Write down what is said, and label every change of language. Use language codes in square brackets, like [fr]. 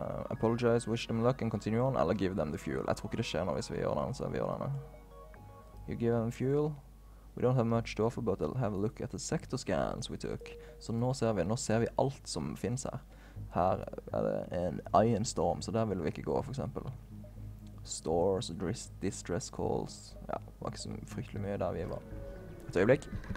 [en] Apologize, wish them luck and continue on, eller give them the fuel. [no] Jeg tror ikke det skjer noe hvis vi gjør den, så vi gjør denne. [en] You give them fuel. We don't have much to offer, but they'll have a look at the sector scans we took. [no] Så nå ser vi alt som finnes her. Her er det en iron storm, så der vil vi ikke gå, for eksempel. Stores, distress calls. Ja, det var ikke så fryktelig mye der vi var. Et øyeblikk.